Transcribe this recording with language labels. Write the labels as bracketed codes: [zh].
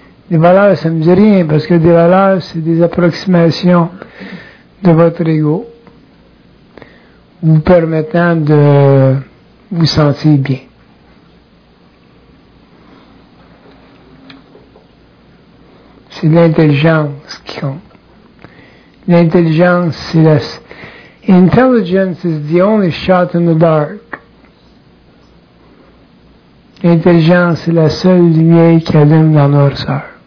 [fr] Devalas samjari, parce que devalas, c'est des approximations de votre ego, vous permettant de vous sentir bien. C'est l'intelligence qui compte. L'intelligence, c'est la... [en] Intelligence is the only shot in the dark. [fr] L'intelligence, c'est la seule lumière qui allume dans notre soeur.